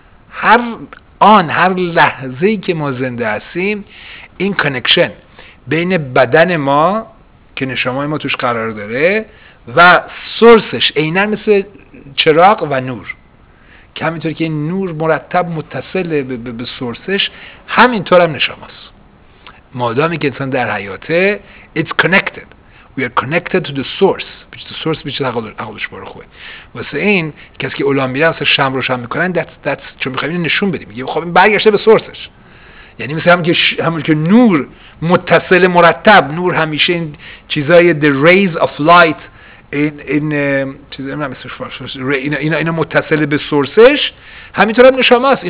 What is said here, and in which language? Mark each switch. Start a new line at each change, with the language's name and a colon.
Persian: هر آن هر لحظه‌ای که ما زنده هستیم این کانکشن بین بدن ما که نشمای ما توش قرار داره و سورسش عیناً مثل چراغ و نور، که همینطور که این نور مرتب متصل به سورسش، همینطور هم نشماست. مادامی که انسان در حیاته
English: it's connected, we are connected to the source, which the source which
Persian: عقلش باره خوبه. واسه این کسی که اولان میره واسه شم روشن میکنن that's چون میخواییم این نشون بدیم، خب این برگشته به سورسش، یعنی مثل همون که نور متصل مرتب، نور همیشه این چیزای
English: the rays of light
Persian: این چیزا اینا اینا متصل به سورسش، همینطور هم نشماست.